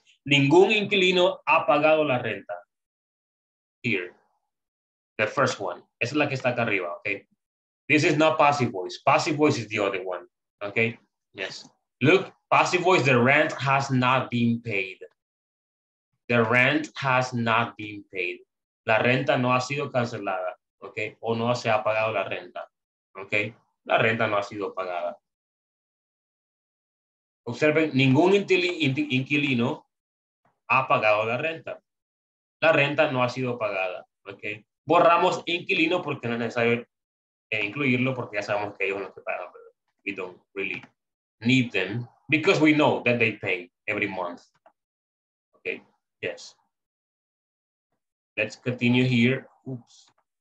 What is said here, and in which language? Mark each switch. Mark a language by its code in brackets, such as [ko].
[es] Ningún inquilino ha pagado la renta. [en] Here. The first one. [es] Esa es la que está acá arriba, okay? [en] This is not passive voice. Passive voice is the other one, okay? Yes. Look, passive voice, the rent has not been paid. The rent has not been paid. [es] la renta no ha sido cancelada, ¿ok? O no se ha pagado la renta, ¿ok? La renta no ha sido pagada. Observen, ningún inquilino ha pagado la renta. La renta no ha sido pagada, ¿ok? Borramos inquilino porque no es necesario incluirlo porque ya sabemos que ellos no se pagan. [en] We don't really need them because we know that they pay every month. Okay, yes. Let's continue here. Oops.